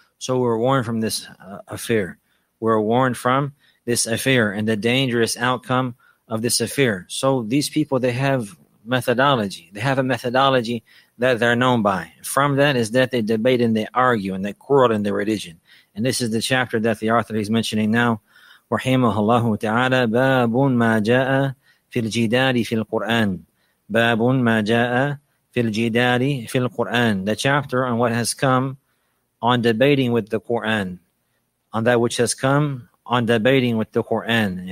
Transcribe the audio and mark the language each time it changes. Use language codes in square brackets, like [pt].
[en] So we're warned from this affair. We're warned from this affair and the dangerous outcome of this affair. So these people, they have methodology. They have a methodology that they're known by. From that is that they debate and they argue and they quarrel in their religion. And this is the chapter that the author is mentioning now. [ar] Rahimahullahu ta'ala, babun ma ja'a في الجدال في القرآن باب ما جاء في الجدال في القرآن. [en] The chapter on what has come on debating with the Quran, on that which has come on debating with the Quran.